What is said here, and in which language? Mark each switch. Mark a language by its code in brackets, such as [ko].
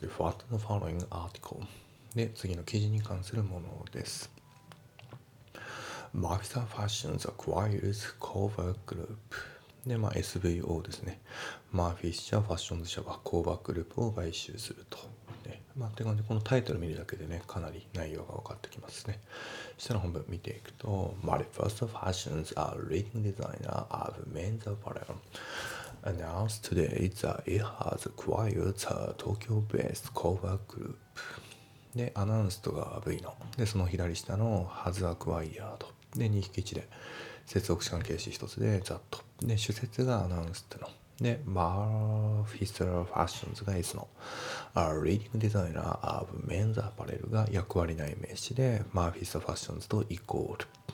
[ja] で、 [en] What the following article [ja] で次の記事に関するものです。 [en] Mavisa Fashions acquires Cover Group [ja] で、まあ、SVO ですね。マーフィッシャーファッションズ社はコーバーグループを買収すると。ね、まあ、って感じで、このタイトル見るだけでね、かなり内容が分かってきますね。下の本文見ていくと、 [en] Mavisa Fashions, a leading designer of men's apparel, announced today that it has acquired the Tokyo-based Cover Group. [ja] で、アナウンストが V の。で、その左下の [en] has acquired。 [ja] で、2引き1で。接続詞関係詞一つでざっと。で、主節がアナウンスっての。で、マーフィスターファッションズが S の。 [en] A leading designer of men's apparel [ja] が役割ない名詞で、マーフィスターファッションズとイコール。